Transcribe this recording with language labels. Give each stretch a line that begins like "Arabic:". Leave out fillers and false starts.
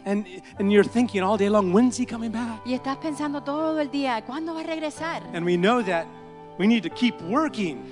English: And you're thinking all day long, when's he coming back?
Spanish: Y estás pensando todo el día, ¿cuándo va a regresar?
English: And we know that we need to keep working.